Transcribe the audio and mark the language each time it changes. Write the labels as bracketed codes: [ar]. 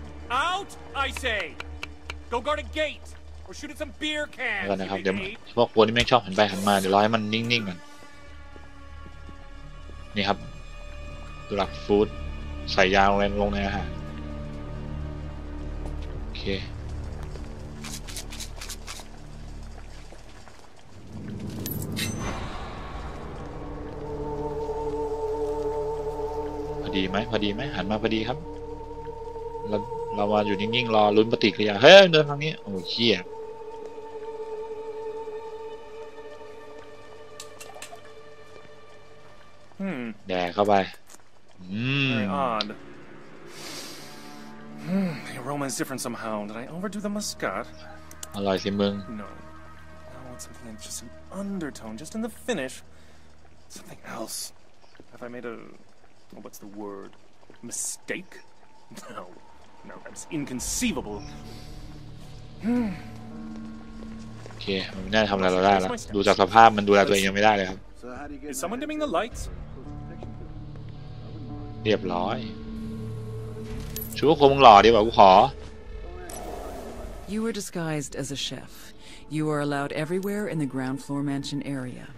[en] Out I say Go guard a gate or shoot at some beer cans [th] นะครับเดี๋ยวพวกคนที่ไม่ชอบหันไปหันมาเดี๋ยวรอให้มันนิ่งๆก่อนนี่ครับดรักฟู้ดใส่ยาลงในอาหารโอเค พอดีไหมพอดีไหมหันมาพอดีครับเรามาอยู่นิ่งๆรอลุ้นปฏิกิริยาเฮ้ยเดินทางนี้โอ้โหเหี้ยแดกเข้าไป [en] The aroma is different somehow. Did I overdo the muscat? [th] อร่อยสิมึง [en] No. I want something that's just an undertone, just in the finish. Something else. Have I made a... What's the word? Mistake? No, that's inconceivable. [th] Okay, มันไม่น่าทำอะไรเราได้แล้วดูจากสภาพมันดูแลตัวเองยังไม่ได้เลยครับ [en] Is someone dimming the lights? [th] เรียบร้อยชูว่าคงหล่อดีกว่ากูข [en] อ You were disguised as a chef. You are allowed everywhere in the ground floor mansion area.